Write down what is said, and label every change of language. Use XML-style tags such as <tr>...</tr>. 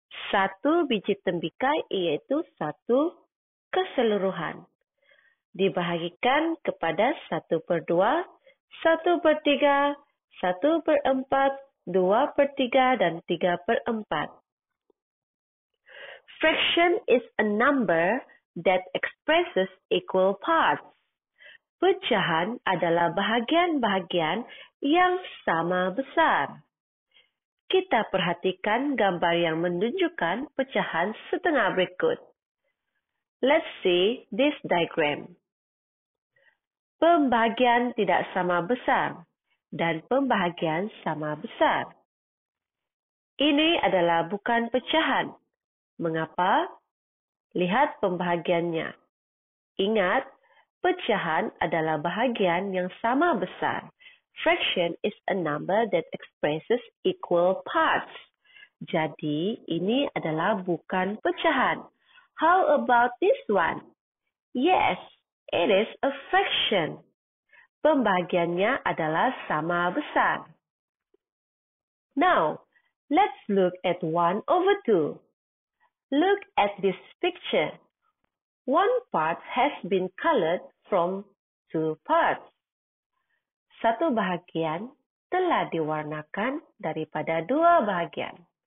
<ms>Satu biji tembikai yaitu satu keseluruhan. Dibahagikan kepada 1/2, 1/3, 1/4, 2/3, dan 3/4.</ms> <en>Fraction is a number that expresses equal parts.</en> <ms>PECAHAN adalah bahagian-bahagian yang sama besar. Kita perhatikan gambar yang menunjukkan PECAHAN setengah berikut.</ms> <en>Let's see this diagram.</en> <ms>Pembagian tidak sama besar dan pembahagian sama besar. Ini adalah bukan PECAHAN. Mengapa? Lihat pembahagiannya. Ingat, PECAHAN adalah bahagian yang sama besar.</ms> <en>Fraction is a number that expresses equal parts.</en> <ms>Jadi, ini adalah bukan PECAHAN.</ms> <en>How about this one? Yes, it is a fraction.</en> <ms>Pembagiannya adalah sama besar.</ms> <en>Now, let's look at 1 over 2. Look at this picture. One part has been colored from two parts.</en> <ms>Satu bahagian telah diwarnakan daripada dua bahagian.</ms>